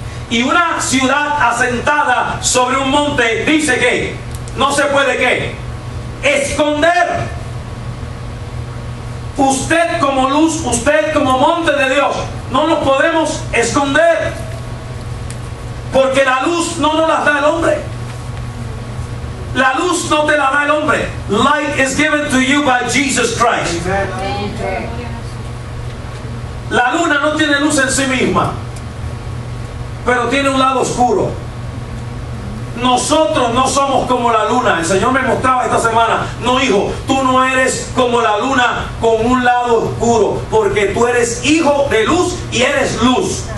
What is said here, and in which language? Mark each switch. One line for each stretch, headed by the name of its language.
Spanish: Y una ciudad asentada sobre un monte dice que no se puede qué esconder. Usted como luz, usted como monte de Dios, no nos podemos esconder. Porque la luz no nos la da el hombre. La luz no te la da el hombre.
English: Light is given to you by Jesus Christ.
Spanish: La luna no tiene luz en sí misma, pero tiene un lado oscuro. Nosotros no somos como la luna. El Señor me mostraba esta semana: no, hijo, tú no eres como la luna con un lado oscuro, porque tú eres hijo de luz y eres luz.